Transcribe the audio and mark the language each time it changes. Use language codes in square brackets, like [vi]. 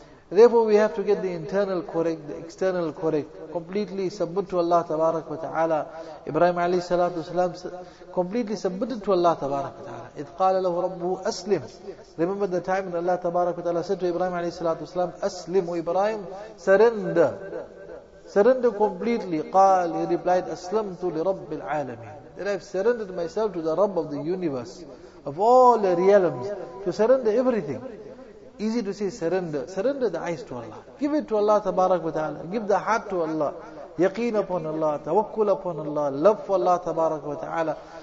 [en] Therefore we have to get the internal correct, the external correct, completely submit to Allah tabarak wa ta'ala. Ibrahim alayhi salatu wasalam completely submitted to Allah tabarak wa ta'ala. [ar] إِذْ قَالَ لَهُ رَبُّهُ أَسْلِمْ. [en] Remember the time when Allah tabarak wa ta'ala said to Ibrahim alayhi salatu wasalam, أَسْلِمْ. Ibrahim, surrender completely. [ar] قال, [en] he replied, [ar] أَسْلَمْتُ لِرَبِّ الْعَالَمِينَ. [en] That I have surrendered myself to the Rabb of the universe, of all the realms, to surrender everything. Easy to say surrender. Surrender the eyes to Allah. Give it to Allah tabarak wa ta'ala. Give the heart to Allah. Yaqeen upon Allah. Tawakkul upon Allah. Love for Allah tabarak wa ta'ala.